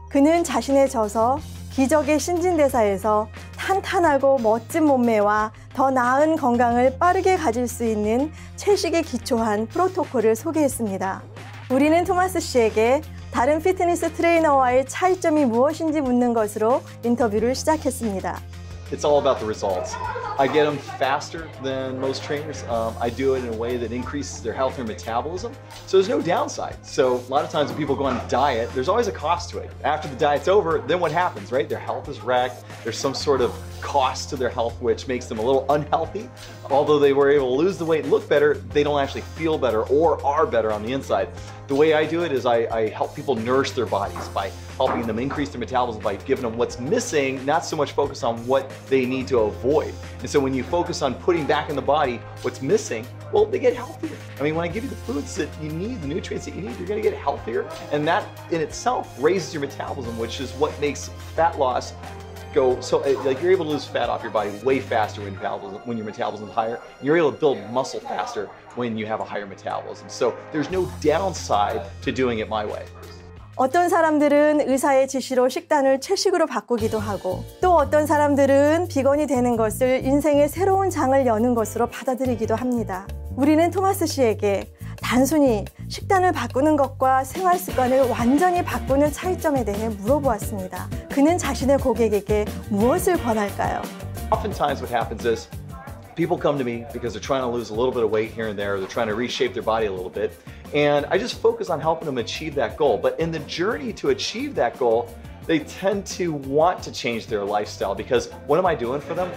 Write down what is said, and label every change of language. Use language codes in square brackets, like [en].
[ko] 그는 자신의 저서 기적의 신진대사에서 탄탄하고 멋진 몸매와 더 나은 건강을 빠르게 가질 수 있는 채식에 기초한 프로토콜을 소개했습니다. 우리는 토마스 씨에게 다른 피트니스 트레이너와의 차이점이 무엇인지 묻는 것으로 인터뷰를 시작했습니다. [en] It's all about the results. I get them faster than most trainers. I do it in a way that increases their health and metabolism. So there's no downside. So a lot of times when people go on a diet, there's always a cost to it. After the diet's over, then what happens, right? Their health is wrecked. There's some sort of cost to their health, which makes them a little unhealthy. Although they were able to lose the weight and look better, they don't actually feel better or are better on the inside. The way I do it is I help people nourish their bodies by helping them increase their metabolism, by giving them what's missing, not so much focus on what they need to avoid. And so when you focus on putting back in the body what's missing, well, they get healthier. I mean, when I give you the foods that you need, the nutrients that you need, you're gonna get healthier. And that in itself raises your metabolism, which is what makes fat loss go, so like you're able to lose fat off your body way faster when your metabolism is higher. You're able to build muscle faster when you have a higher metabolism. So there's no downside to doing it my way. [ko] 어떤 사람들은 의사의 지시로 식단을 채식으로 바꾸기도 하고 또 어떤 사람들은 비건이 되는 것을 인생의 새로운 장을 여는 것으로 받아들이기도 합니다. 우리는 토마스 씨에게 단순히 식단을 바꾸는 것과 생활 습관을 완전히 바꾸는 차이점에 대해 물어보았습니다. 그는 자신의 고객에게 무엇을 권할까요? [en] Oftentimes what happens is people come to me because they're trying to lose a little bit of weight here and there, or they're trying to reshape their body a little bit. And I just focus on helping them achieve that goal. But in the journey to achieve that goal, they tend to want to change their lifestyle because what am I doing for them?